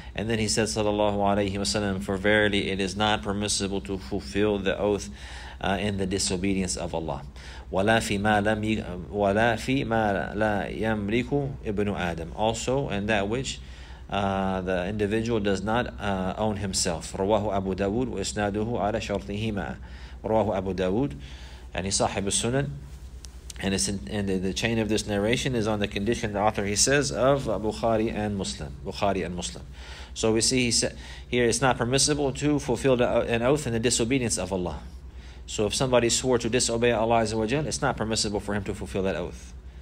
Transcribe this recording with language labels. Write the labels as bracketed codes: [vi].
[en] And then he said, sallallahu alayhi wa sallam, for verily it is not permissible to fulfill the oath in the disobedience of Allah. [ar] وَلَا فِي مَا لَا يَمْلِكُ إِبْنُ آدَمَ. [en] Also, and that which the individual does not own himself. [ar] رواه أبو داود وإسناده على شرطهما. رواه أبو داود يعني صاحب السنن. [en] And it's in the chain of this narration is on the condition the author he says of Bukhari and Muslim. Bukhari and Muslim. So we see he said here it's not permissible to fulfill an oath in the disobedience of Allah. So if somebody swore to disobey Allah Azza wa Jal, it's not permissible for him to fulfill that oath.